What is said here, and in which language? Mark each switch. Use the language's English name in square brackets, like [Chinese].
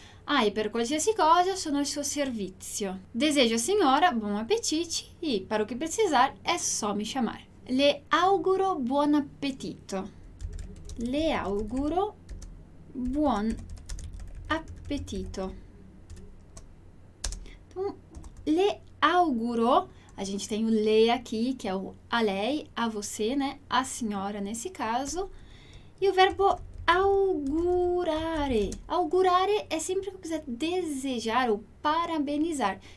[Italian] Ah, e per qualsiasi cosa sono al suo servizio. [Portuguese] Desejo a senhora [Italian] buon appetito [Portuguese] e para o que precisar é só me chamar. [Italian] Le auguro buon appetito. Le auguro buon appetito. [Portuguese] Então, [Italian] le auguro, [Portuguese] a gente tem o le aqui, que é o a lei, a você, né? A senhora nesse caso. E o verbo augurare. Augurare é sempre que quiser desejar ou parabenizar.